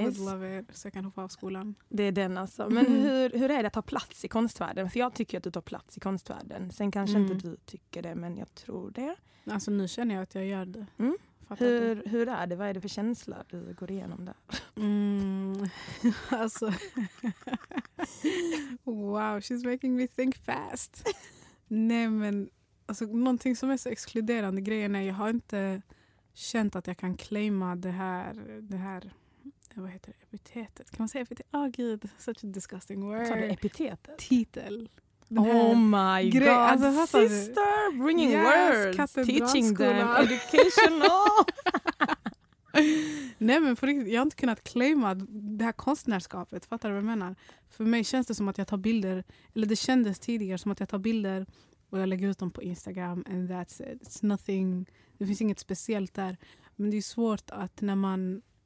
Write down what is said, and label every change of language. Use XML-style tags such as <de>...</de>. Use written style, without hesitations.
<en>I would love it,</en> <sv>så jag kan hoppa av skolan. Det är den alltså. Men hur är det att ta plats i konstvärlden? För jag tycker att du tar plats i konstvärlden. Sen kanske inte du tycker det, men jag tror det. Alltså nu känner jag att jag gör det. Mm. Hur är det? Vad är det för känsla du går igenom där? Alltså.</sv> <en>Wow, she's making me think fast.</en> <sv>Nej, men alltså, någonting som är så exkluderande grejen är att jag har inte känt att jag kan claima det här vad heter det, epitetet. Kan man säga epitet? Åh, gud,</sv> <en>such a disgusting word.</en> <sv>Tar du epitetet? Titel.</sv> <en>Oh my god,</en> <sv>alltså,</sv> <en>sister, bringing words, teaching them, educational.</en> <sv>Nej, men för riktigt, jag har inte kunnat claima det här konstnärskapet, fattar du vad jag menar? För mig känns det som att jag tar bilder, eller det kändes tidigare som att jag tar bilder och jag lägger ut dem på Instagram</sv> <en>and that's it. It's nothing,</en> <sv>det finns inget speciellt där. Men det är svårt att när man</sv>